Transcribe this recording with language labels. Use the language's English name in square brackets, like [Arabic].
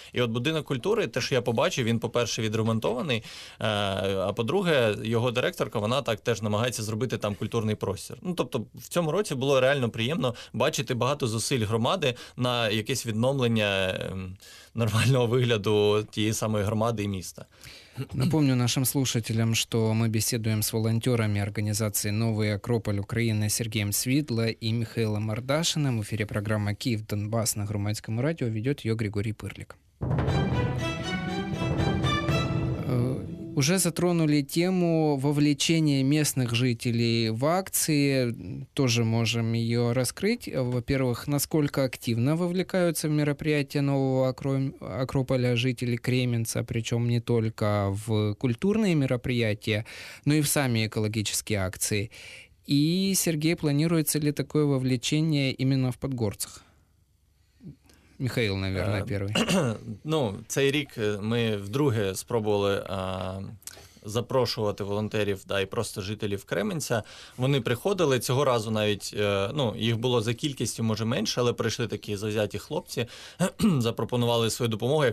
[Ukrainian] І от будинок культури, те, що я побачив, він, по-перше, відремонтований, а по-друге, його директорка, вона так теж намагається зробити там культурний простір. Ну, тобто, в цьому році було реально приємно бачити покласти багато зусиль громади на якесь відновлення нормального вигляду тієї самої громади і міста. [Russian] Напомню нашим слушателям, что мы беседуем с волонтерами организации «Новый Акрополь Украины» Сергеем Свидло и Михаилом Ардашиным. В эфире программа «Киев-Донбасс» на Громадському радио ведет ее Григорий Пырлик. Уже затронули тему вовлечения местных жителей в акции. Тоже можем ее раскрыть. Во-первых, насколько активно вовлекаются в мероприятия нового Акрополя жители Кременца, причем не только в культурные мероприятия, но и в сами экологические акции. И, Сергей, планируется ли такое вовлечение именно в Подгорцах? Михаил, наверное, первый. [Ukrainian] Ну, цей рік ми вдруге спробували запрошувати волонтерів, да, і просто жителів Кременця. Вони приходили, цього разу навіть, ну, їх було за кількістю, може, менше, але прийшли такі завзяті хлопці, запропонували свою допомогу.